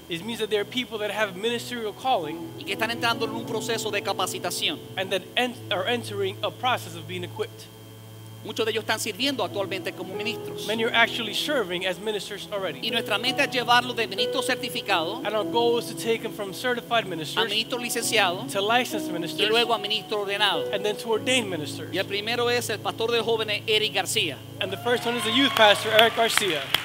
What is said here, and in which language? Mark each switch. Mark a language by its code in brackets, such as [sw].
[en] It means that there are people that have ministerial calling. [es] Y que están entrando en un proceso de capacitación. [en] And that are entering a process of being equipped. [es] Muchos de ellos están sirviendo actualmente como ministros. [en] Many are actually serving as ministers already. [es] Y nuestra meta es llevarlo de ministro certificado. [en] And our goal is to take them from certified ministers. [es] A ministro licenciado. [en] To licensed ministers. [es] Y luego a ministro ordenado. [en] And then to ordained ministers. [es] Y el primero es el pastor de jóvenes Eric García. [en] And the first one is the youth pastor Eric García.